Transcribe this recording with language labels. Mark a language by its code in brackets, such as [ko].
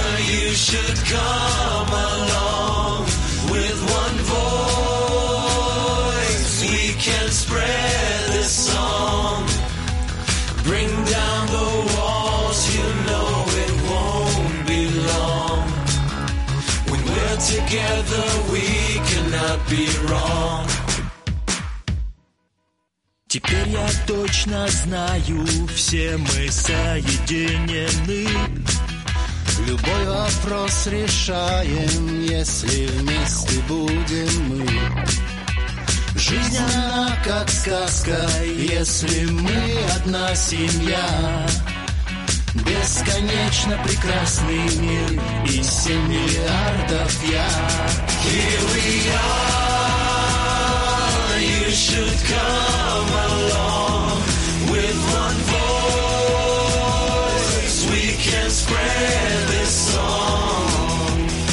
[en] you should come along with one voice, we can spread song, bring down the walls, you know it won't be long, when we're together we cannot be wrong. [ru] Теперь я точно знаю, все мы соединены, любой вопрос решаем, если вместе будем мы. Жизнь она как сказка, если мы одна семья. Бесконечно прекрасный мир и 7 миллиардов я. [en] Here we are, you should come along. With one voice we can spread this song.